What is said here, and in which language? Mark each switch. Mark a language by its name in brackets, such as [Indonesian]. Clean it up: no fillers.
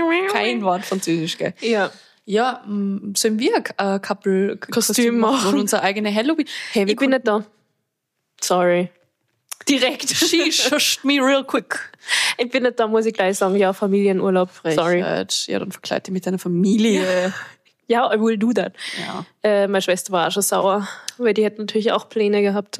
[German] Kein Wort Französisch, gell? Ja. Ja, sollen wir ein Couple-Kostüm machen? Und unser eigener Halloween. Hey, ich bin nicht da. Sorry. Direkt. [English] She shushed me real quick. [German] Ich bin nicht da, muss ich gleich sagen. Ja, Familienurlaub. Frech. Sorry. Ja, dann verkleide dich mit deiner Familie. Ja, [English] I will do that. [German] Ja. Meine Schwester war auch schon sauer, weil die hätte natürlich auch Pläne gehabt.